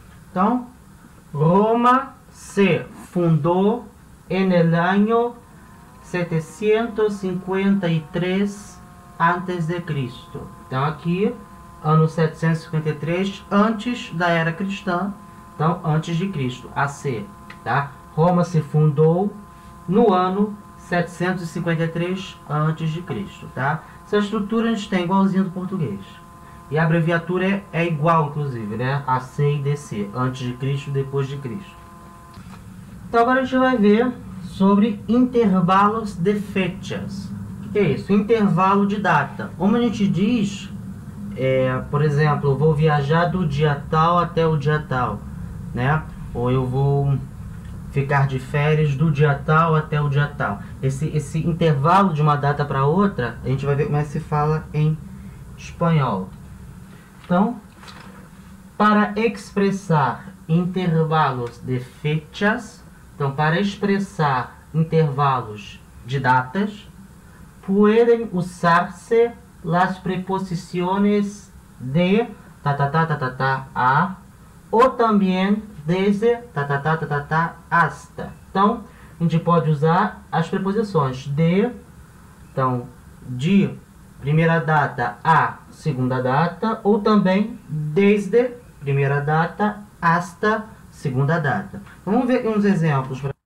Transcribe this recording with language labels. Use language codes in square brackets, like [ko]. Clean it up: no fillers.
[es] Então, Roma se fundou en el año 753 antes de Cristo. [pt] Então aqui, ano 753 antes da era cristã, então antes de Cristo, AC, tá? Roma se fundou no ano 753 antes de Cristo, tá? Essa estrutura a gente tem igualzinha do português. E a abreviatura é igual, inclusive, né? AC e DC, antes de Cristo, depois de Cristo. Então agora a gente vai ver sobre intervalos de fechas. O que é isso? Intervalo de data. Como a gente diz, por exemplo, eu vou viajar do dia tal até o dia tal, né? Ou eu vou ficar de férias do dia tal até o dia tal. Esse intervalo de uma data para outra, a gente vai ver como é que se fala em espanhol. Então, para expressar intervalos de fechas, então para expressar intervalos de datas, [es] pueden usarse las preposiciones de ta ta ta ta ta ta a o también desde ta ta ta ta ta ta hasta. [pt] Então, a gente pode usar as preposições de, então de primeira data a segunda data, ou também desde primeira data hasta segunda data. Vamos ver uns exemplos.